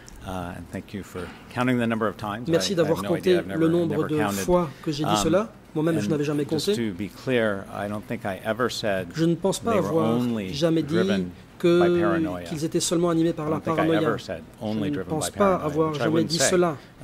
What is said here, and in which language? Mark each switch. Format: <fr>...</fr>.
<en>And thank you for counting the number of times.</en> <fr>Merci d'avoir compté le nombre de fois que j'ai dit cela. Moi-même, je n'avais jamais compté.</fr> <en>Just to be clear, I don't think I ever said</en> <fr>je ne pense pas avoir jamais dit qu'ils étaient seulement animés par la paranoïa. Je ne pense pas avoir jamais dit cela.</fr>